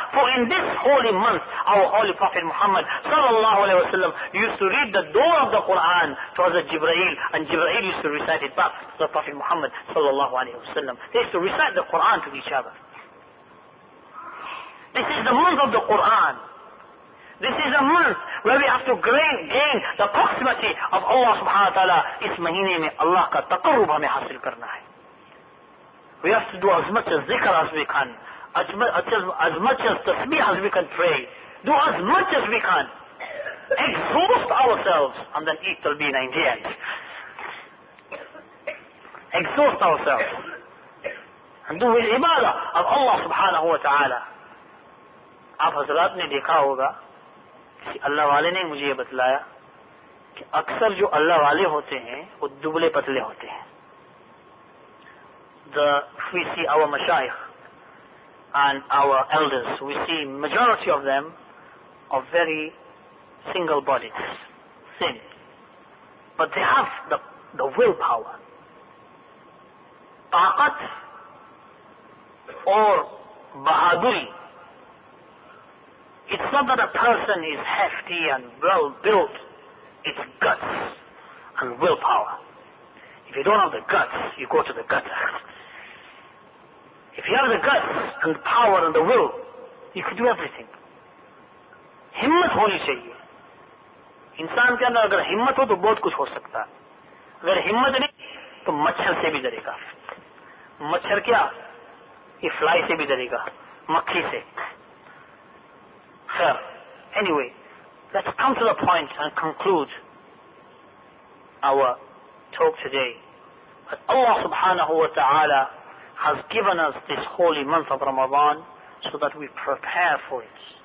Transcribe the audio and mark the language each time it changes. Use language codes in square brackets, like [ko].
[en] For in this holy month, our Holy Prophet Muhammad sallallahu alayhi wa sallam used to read the door of the Quran to Hazrat Jibreel, and Jibreel used to recite it back to the Prophet Muhammad sallallahu alayhi wa sallam. They used to recite the Quran to each other. This is the month of the Quran. This is a month where we have to gain the proximity of Allah subhanahu wa ta'ala. [ur] اس مہینے میں اللہ کا تقرب ہمیں حاصل کرنا ہے۔ [en] We have to do as much as zikr as we can, as much as tasbih as we can pray. Do as much as we can. Exhaust ourselves, and then eat till be 98. Exhaust ourselves. And do with ibadah of Allah subhanahu wa ta'ala. [ur] Aap hazrat ne dekha hoga, اللہ والے نے مجھے یہ بتلایا کہ اکثر جو اللہ والے ہوتے ہیں وہ دبلے پتلے ہوتے ہیں. [en] We see our mashayikh and our elders, we see majority of them are very single bodies, thin, but they have the willpower, [ur] طاقت اور بہادری. [en] It's not that a person is hefty and well built, it's guts and willpower. If you don't have the guts, you go to the gutter. If you have the guts and the power and the will, you can do everything. [ur] ہمت ہونی چاہیے۔ انسان کے اندر اگر ہمت ہو تو بہت کچھ ہو سکتا ہے۔ اگر ہمت نہیں تو مچھر سے بھی ڈرے گا۔ مچھر کیا؟ یہ fly سے بھی ڈرے گا، مکھی سے۔ [en] So, anyway, let's come to the point and conclude our talk today. But Allah subhanahu wa ta'ala has given us this holy month of Ramadan so that we prepare for it.